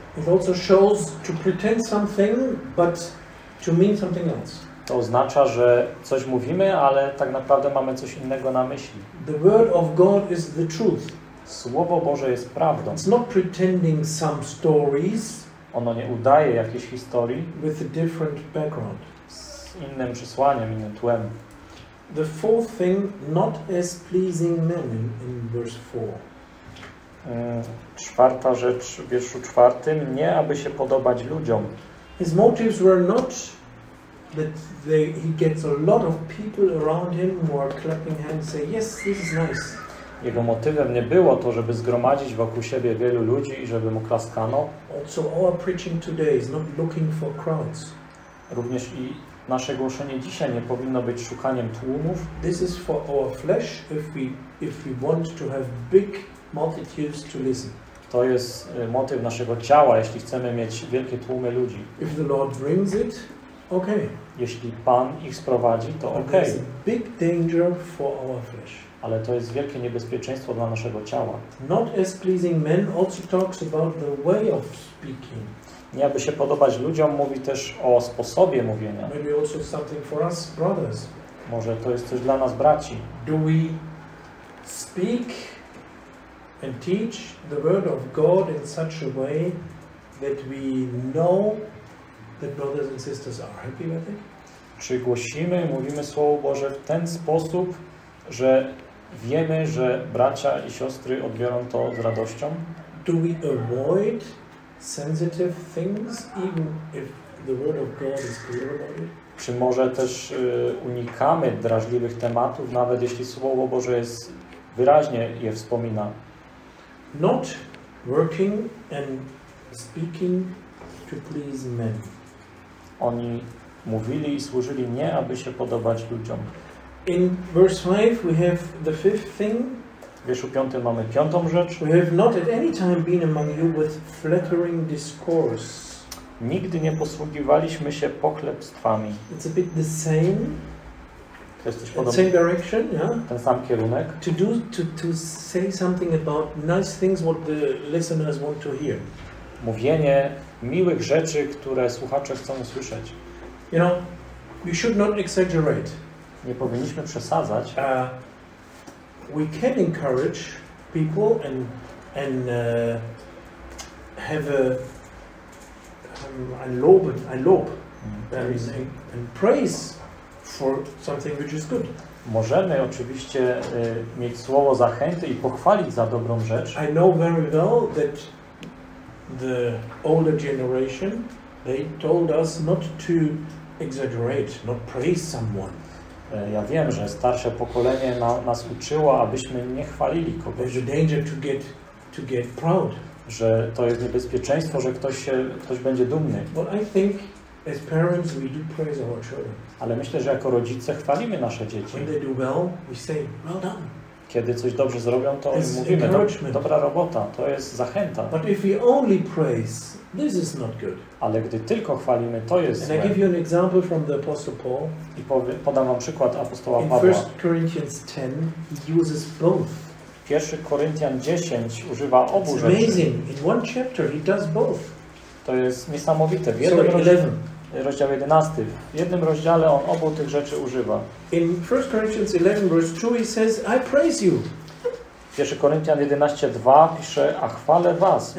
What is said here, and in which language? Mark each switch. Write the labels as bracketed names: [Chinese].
[English] It also shows to pretend something, but to mean something else. [Polish] To oznacza, że coś mówimy, ale tak naprawdę mamy coś innego na myśli. [English] The word of God is the truth. [Polish] Słowo Boże jest prawdą. [English] It's not pretending some stories. [Polish] Ono nie udaje jakiejś historii. [English] With a different background. [Polish] Z innym przesłaniem, innym tłem. [English] The fourth thing, not as pleasing men in verse 4. [Polish] czwarta rzecz w wierszu czwartym, nie aby się podobać ludziom. [English] His motives were not that he gets a lot of people around him who are clapping hands and say, yes, this is nice. [Polish] Jego motywem nie było to, żeby zgromadzić wokół siebie wielu ludzi i żeby mu klaskano. [English] Also our preaching today is not looking for crowds. [Polish] Również i nasze głoszenie dzisiaj nie powinno być szukaniem tłumów. [English] This is for our flesh if we want to have big multitudes to listen. [Polish] To jest motyw naszego ciała, jeśli chcemy mieć wielkie tłumy ludzi. [English] If the Lord brings it, okay. [Polish] Jeśli Pan ich sprowadzi, to okej. [English] Okay. There's a big danger for our flesh. [Polish] Ale to jest wielkie niebezpieczeństwo dla naszego ciała. [English] Not as pleasing men also talks about the way of speaking. [Polish] Nie aby się podobać ludziom, mówi też o sposobie mówienia. [English] Maybe also something for us brothers. [Polish] Może to jest coś dla nas braci. [English] Do we speak and teach the word of God in such a way that we know that brothers and sisters are happy with it? [Polish] Czy głosimy, mówimy Słowo Boże w ten sposób, że wiemy, że bracia i siostry odbiorą to z radością? [English] Do we avoid sensitive things, even if the word of God is clear about it? [Polish] Czy może też unikamy drażliwych tematów, nawet jeśli Słowo Boże jest wyraźnie je wspomina? [English] Not working and speaking to please men. [Polish] Oni mówili i służyli nie, aby się podobać ludziom. [English] In verse 5 we have the fifth thing. [Polish] W wierszu 5 mamy piątą rzecz. [English] We have not at any time been among you with flattering discourse. [Polish] Nigdy nie posługiwaliśmy się pochlebstwami. [English] It's a bit the same. [Polish] To jest coś podobne. [English] Same direction, yeah? [Polish] Ten sam kierunek. [English] To say something about nice things what the listeners want to hear. [Polish] Mówienie miłych rzeczy, które słuchacze chcą usłyszeć. [English] You know, we should not exaggerate. [Polish] Nie powinniśmy przesadzać. [English] We can encourage people and have a lob and praise for something which is good. [Polish] Możemy oczywiście mieć słowo zachęty i pochwalić za dobrą rzecz. [English] I know very well that the older generation they told us not to exaggerate, not praise someone. [Polish] Ja wiem, że starsze pokolenie nas uczyło, abyśmy nie chwalili kogoś. [English] There's a danger to get proud. [Polish] Że to jest niebezpieczeństwo, że ktoś będzie dumny. [English] But I think as parents we do praise our children. [Polish] Ale myślę, że jako rodzice chwalimy nasze dzieci. [English] When they do well, we say, well done. [Polish] Kiedy coś dobrze zrobią, to mówimy, dobra robota, to jest zachęta. [English] But if we only praise, this is not good. [Polish] Ale gdy tylko chwalimy, to jest złe. [English] And I give you an example from the Apostle Paul. [Polish] I podam wam przykład apostoła Pawła. [English] In 1 Corinthians 10, he uses both. [Polish] 1 Koryntian 10 używa obu rzeczy. [English] It's amazing. In one chapter he does both. [Polish] To jest niesamowite. W jednym rozdział 11. W jednym rozdziale on obu tych rzeczy używa. [English] In 1 Corinthians 11, verse 2, he says, I praise you. [Polish] 1 Koryntian 11:2 pisze, a chwalę was,